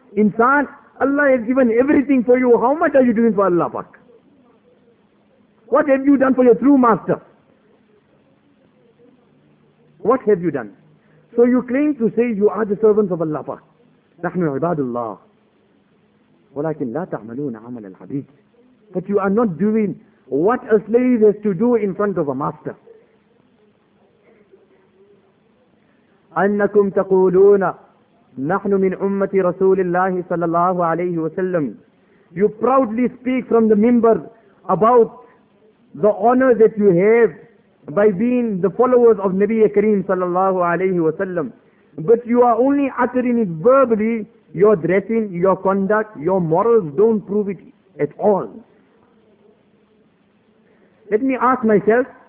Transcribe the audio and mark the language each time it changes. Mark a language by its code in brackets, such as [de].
[en] Insan, Allah has given everything for you. How much are you doing for Allah Pak? What have you done for your true master? What have you done? So you claim to say you are the servants of Allah Pak. [ar] نحن عباد الله. ولكن لا تعملون عمل العبيد. [en] But you are not doing what a slave has to do in front of a master. [ar] أنكم تقولون نحن من أمة رسول الله صلى الله عليه وسلم. [en] You proudly speak from the member about the honor that you have by being the followers of Nabi Kareem [ar] صلى الله عليه وسلم. [en] But you are only uttering it verbally. Your dressing, your conduct, your morals don't prove it at all. Let me ask myself,